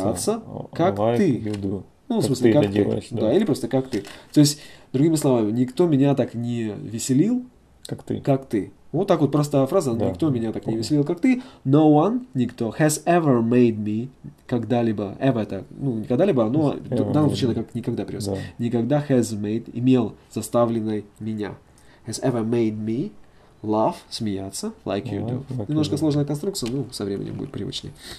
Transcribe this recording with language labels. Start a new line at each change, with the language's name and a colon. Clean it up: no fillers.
Russian: Смеяться? Как
English: like
Russian: ты.
English: Do.
Russian: Ну, в смысле, как ты. Делаешь, да, или просто как ты. То есть, другими словами, никто меня так не веселил. Как ты. Как ты. Вот так вот простая фраза, да, никто меня так помню. Не веселил, как ты. No one, никто,
English: has ever made me,
Russian: когда-либо, ever это, ну, не когда-либо, но в данном случае как никогда привез. Да. Никогда
English: has made,
Russian: имел заставленной меня.
English: Has ever made me laugh,
Russian: смеяться,
English: like you do. Like
Russian: немножко
English: you do.
Russian: Сложная конструкция, ну, со временем будет привычнее.